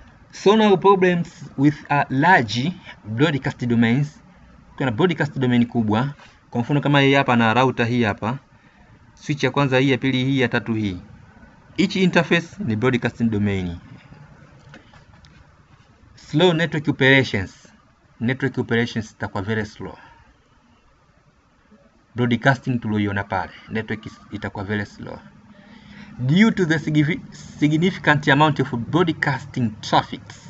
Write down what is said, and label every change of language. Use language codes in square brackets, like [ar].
[en] So now problems with a large broadcast domains. [sw] Kuna broadcast domain kubwa. Kwa mfano kama hii hapa na router hii hapa. Switch ya kwanza hii, ya pili hii, ya tatu hii. [en] Each interface ni broadcasting domain. Slow network operations. Network operations itakuwa very slow. Broadcasting [sw] tuloiona pale. [en] Network itakuwa very slow. Due to the significant amount of broadcasting traffic.